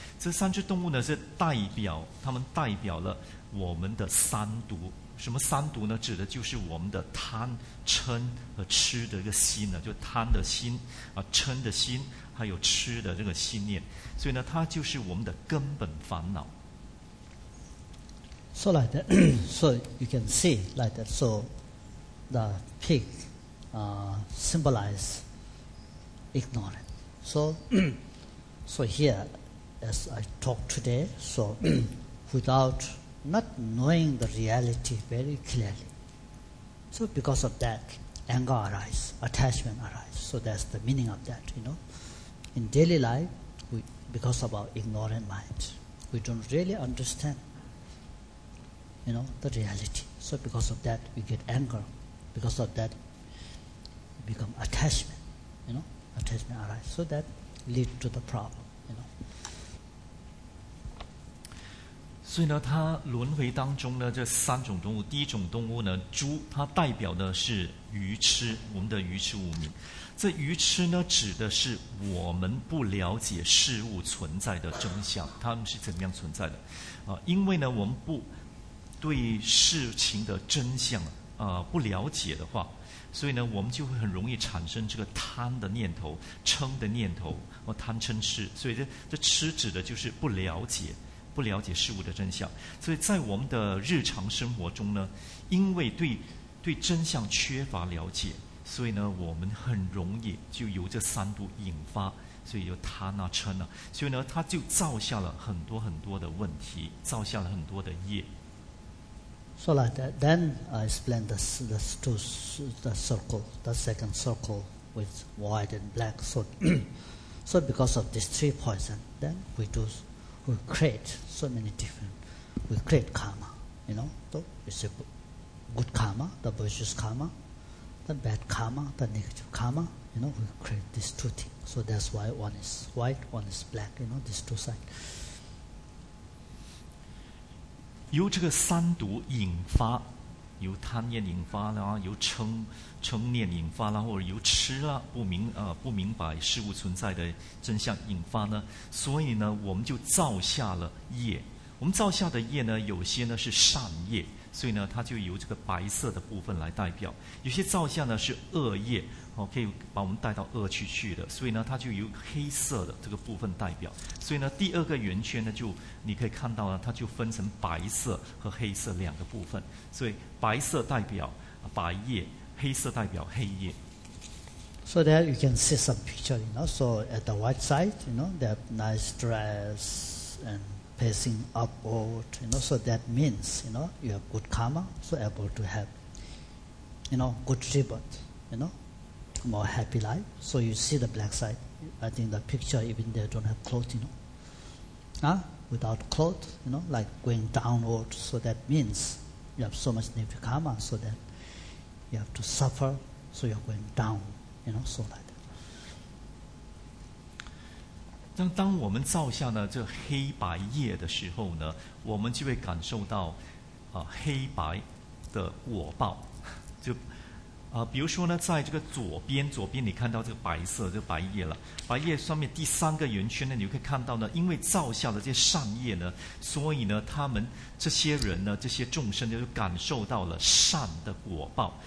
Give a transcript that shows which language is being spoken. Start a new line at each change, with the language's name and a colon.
Chinese: 这三只动物呢，是代表它们代表了我们的三毒。什么三毒呢？指的就是我们的贪、嗔和痴的一个心呢，就贪的心啊，嗔的心。还有吃的这个信念，所以呢，它就是我们的根本烦恼。
English: So like that, so you can see like that. So the pig, symbolize ignorance. So here, as I talk today, so without not knowing the reality very clearly, so because of that, anger arises, attachment arises. So that's the meaning of that, you know. In daily life, because of our ignorant mind, we don't really understand, you know, the reality. So because of that, we get anger. Because of that, we become attachment, you know, attachment arise. So that leads to the problem, you know.
Chinese: 所以呢，它轮回当中呢，这三种动物，第一种动物呢，猪，它代表的是愚痴，我们的愚痴无明。这愚痴呢，指的是我们不了解事物存在的真相，它们是怎么样存在的？因为呢，我们不对事情的真相不了解的话，所以呢，我们就会很容易产生这个贪的念头、嗔的念头或贪嗔痴。所以这痴指的就是不了解。不了解事物的真相，所以在我们的日常生活中呢，因为对真相缺乏了解，所以呢，我们很容易就由这三毒引发，所以有贪啊、嗔啊，所以呢，它就造下了很多很多的问题，造下了很多的业。
English: So like that, then I explain the circle, the second circle with white and black. So because of these three poison, then we do. We create so many different. We create karma, you know. So it's a good karma, the virtuous karma, the bad karma, the negative karma. You know, we create these two things. So that's why one is white, one is black. You know, these two sides.
Chinese: 由这个三毒引发，由贪念引发啦，由嗔念引发啦，或者由痴啦不明白事物存在的真相引发呢，所以呢，我们就造下了业。我们造下的业呢，有些呢是善业，所以呢，它就由这个白色的部分来代表；有些造下呢是恶业，可以把我们带到恶趣去的，所以呢，它就由黑色的这个部分代表。所以呢，第二个圆圈呢，就你可以看到呢，它就分成白色和黑色两个部分。所以白色代表白业。黑色代表黑夜。
English: So there you can see some picture, you know. So at the white side, you know, that nice dress and facing upward, you know. So that means, you know, you have good karma, so able to have, you know, good rebirth, you know, more happy life. So you see the black side. I think the picture even they don't have clothes, you know. Without clothes, you know, like going downward. So that means you have so much negative karma, so that. You have to suffer, so you're going down, you know, so like that.
Chinese: 当我们造下呢这黑白业的时候呢，我们就会感受到，黑白的果报。就，比如说呢，在这个左边你看到这个白色，这个白业了。白业上面第三个圆圈呢，你会看到呢，因为造下了这些善业呢，所以呢，他们这些人呢，这些众生呢，就感受到了善的果报。